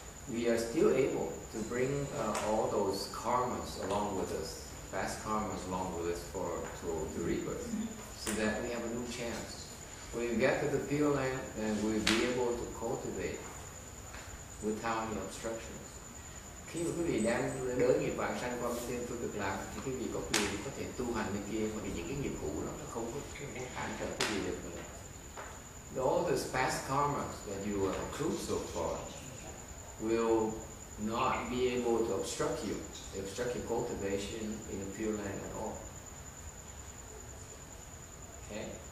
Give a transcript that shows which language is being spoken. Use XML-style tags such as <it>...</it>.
<en>we are still able to bring all those karmas along with us, past karmas along with us for to rebirth, so that we have a new chance. When you get to the Pure Land, then we'll be able to cultivate without any obstructions.</en> <vi>Khi mà quý vị đang đối nghiệp và sanh qua bên tiên phương cực lạc thì quý vị có quyền có thể tu hành bên kia, bởi vì những cái nghiệp cũ nó không có cản trở quý vị được nữa.</vi> <en>All this past karma that you have accrued so far will not be able to obstruct you, obstruct your cultivation in the Pure Land at all. Okay?</en>